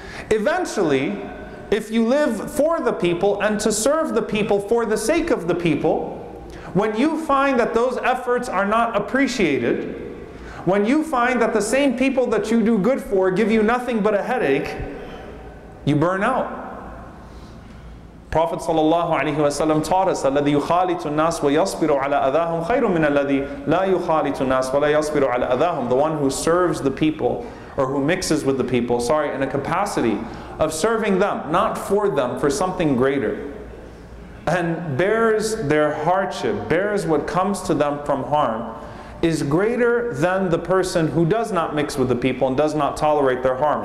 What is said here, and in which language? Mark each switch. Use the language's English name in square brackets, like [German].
[English] Eventually, if you live for the people and to serve the people for the sake of the people, when you find that those efforts are not appreciated, when you find that the same people that you do good for give you nothing but a headache, you burn out. Prophet ﷺ taught us, [Arabic] الَّذِي يُخَالِطُ النَّاسِ وَيَصْبِرُ عَلَىٰ أَذَاهُمْ خَيْرٌ مِنَ الَّذِي لَا يُخَالِطُ النَّاسِ وَلَا يَصْبِرُ عَلَىٰ أَذَاهُمْ. [English] The one who serves the people, or who mixes with the people, sorry, in a capacity of serving them, not for them, for something greater. And bears their hardship, bears what comes to them from harm, is greater than the person who does not mix with the people and does not tolerate their harm.